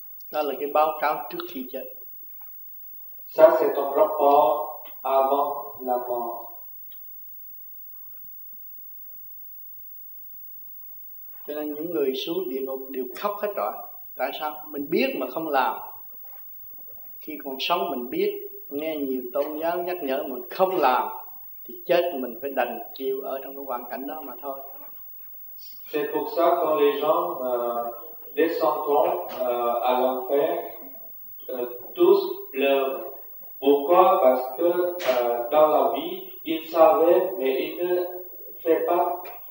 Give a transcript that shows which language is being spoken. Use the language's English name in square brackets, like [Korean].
[French] Ça, c'est le [Vietnamese] báo cáo trước khi chết. [French] Ça, c'est ton rapport avant la mort. [Vietnamese] Cho nên những người xuống địa ngục đều khóc hết rồi. Tại sao? Mình biết mà không làm. Khi còn sống mình biết, nghe nhiều tôn giáo nhắc nhở mình không làm, thì chết mình phải đành chịu ở trong cái hoàn cảnh đó mà thôi. [French] C'est pour ça que les gens descendent à l'enfer, tous pleurent. Pourquoi? Parce que dans la vie, ils savaient, mais ils ne font pas.